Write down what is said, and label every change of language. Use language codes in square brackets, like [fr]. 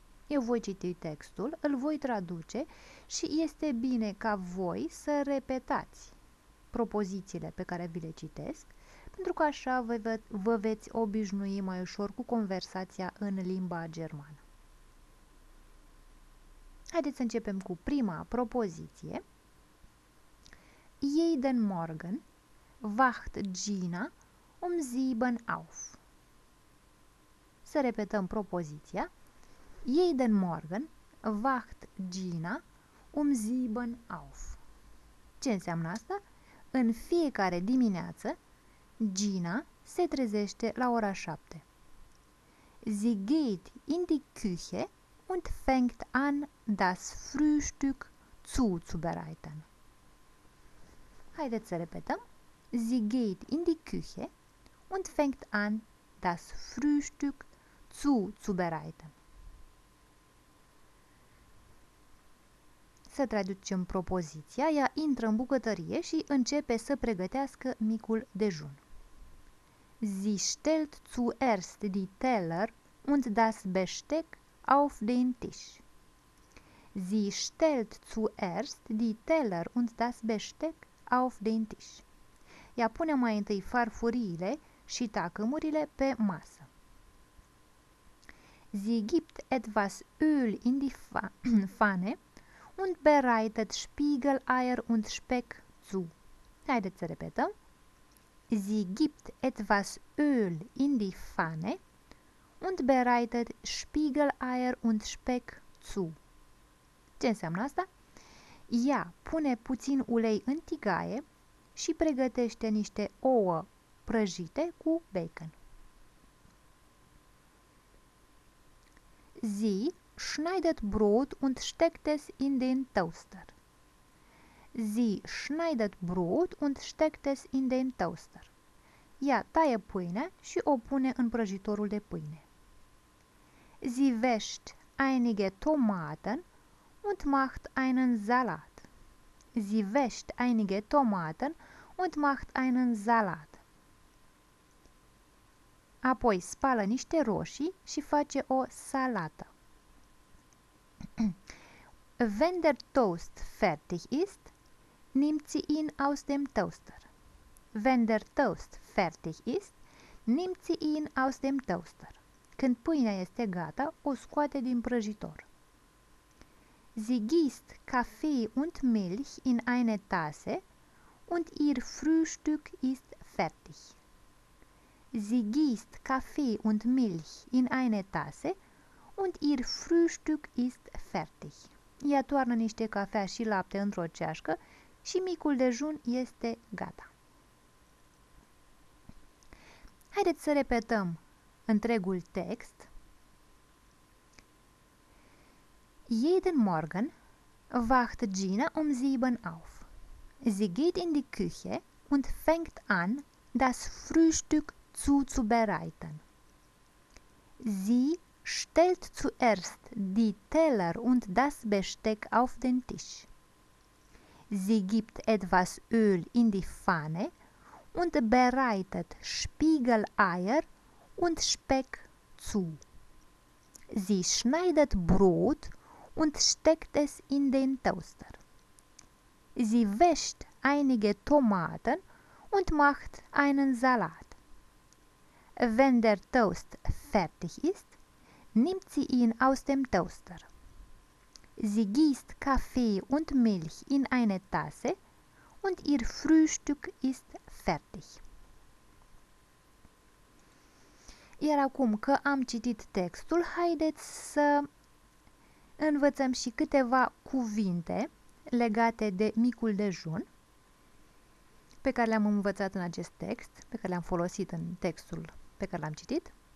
[ro] Eu voi citi textul, îl voi traduce și este bine ca voi să repetați propozițiile pe care vi le citesc, pentru că așa vă veți obișnui mai ușor cu conversația în limba germană. Haideți să începem cu prima propoziție. [de] Jeden Morgen wacht Gina sieben auf. [ro] Să repetăm propoziția. [de] Jeden Morgen wacht Gina sieben auf. [ro] Ce înseamnă asta? În fiecare dimineață, Gina se trezește la ora 7. [de] Sie geht in die Küche und fängt an, das Frühstück zuzubereiten. [ro] Haideți să repetăm. [de] Sie geht in die Küche und fängt an, das Frühstück zuzubereiten. [ro] Să traducem propoziția. Ea intră în bucătărie și începe să pregătească micul dejun. [de] Sie stellt zuerst die Teller und das Besteck auf den Tisch. Sie stellt zuerst die Teller und das Besteck auf den Tisch. [ro] Ea pune mai întâi farfuriile și tacâmurile pe masă. [de] Sie gibt etwas Öl in die Pfanne und bereitet Spiegeleier und Speck zu. [ro] Haideți să repetăm. [de] Sie gibt etwas Öl in die Pfanne und bereitet Spiegeleier und Speck zu. [ro] Ce înseamnă asta? Ea pune puțin ulei în tigaie și pregătește niște ouă prăjite cu bacon. [de] Sie schneidet Brot und steckt es in den Toaster. Sie schneidet Brot und steckt es in den Toaster. [ro] Ea taie pâine și o pune în prăjitorul de pâine. [de] Sie wäscht einige Tomaten und macht einen Salat. Sie wäscht einige Tomaten und macht einen Salat. [ro] Apoi spală niște roșii și face o salată. [de] Wenn der Toast fertig ist, nimmt sie ihn aus dem Toaster. Wenn der Toast fertig ist, nimmt sie ihn aus dem Toaster. [ro] Când pâinea este gata, o scoate din prăjitor. [de] Sie gießt Kaffee und Milch in eine Tasse und ihr Frühstück ist fertig. Sie gießt Kaffee und Milch in eine Tasse und ihr Frühstück ist fertig. [ro] Ea toarnă niște cafea și lapte într-o ceașcă și micul dejun este gata. Haideți să repetăm întregul text. [de] Jeden Morgen wacht Gina sieben auf. Sie geht in die Küche und fängt an, das Frühstück zuzubereiten. Sie stellt zuerst die Teller und das Besteck auf den Tisch. Sie gibt etwas Öl in die Pfanne und bereitet Spiegeleier und Speck zu. Sie schneidet Brot und steckt es in den Toaster. Sie wäscht einige Tomaten und macht einen Salat. Wenn der Toast fertig ist, nimmt sie ihn aus dem Toaster. Sie gießt Kaffee und Milch in eine Tasse und ihr Frühstück ist fertig. [ro] Iar acum că am citit textul, haideți să învățăm și câteva cuvinte legate de micul dejun pe care le-am învățat în acest text, pe care le-am folosit în textul pe care l-am citit.